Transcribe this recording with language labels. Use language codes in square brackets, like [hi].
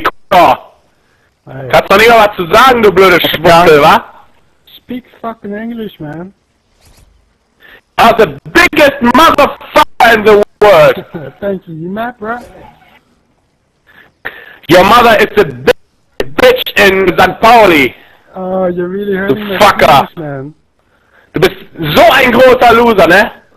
[de] Kannst du nicht mal was zu sagen, du blöde Schwuchtel, wa? [en] Speak fucking English, man. You're the biggest motherfucker in the world. Thank you, you mad, bro? Your mother is the biggest bitch in St. Pauli. Oh, you're really hurting my feelings, man. [de] Du bist so ein großer Loser, ne?